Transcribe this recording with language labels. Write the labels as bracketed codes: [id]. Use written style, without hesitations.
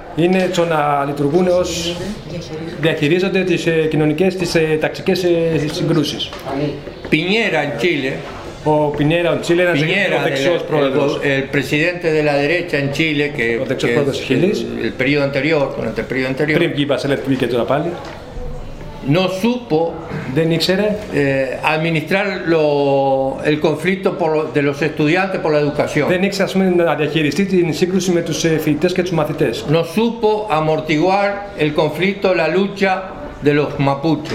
[el] Είναι το να λειτουργούν ως διαχειρίζονται τις κοινωνικές, τις ταξικές συγκρούσεις. [es] Piñera en Chile. [el] Ο Πινέρα, ο Τσίλε, ένας Piñera, δεξιός πρόεδρος. [es] El presidente de la derecha en Chile, que, [el] ο δεξιός πρόεδρος της Χιλής. [es] El periodo anterior, durante el periodo anterior. [el] Πριν πήγε η Βασελέτ, πήγε τώρα πάλι. [es] No supo, [el] δεν ήξερε. [es] Administrar el conflicto de los estudiantes por la educación. [el] Δεν ήξερε, ας πούμε, να διαχειριστεί την σύγκρουση με τους φοιτητές και τους μαθητές. [es] No supo amortiguar el conflicto, la lucha de los mapuches.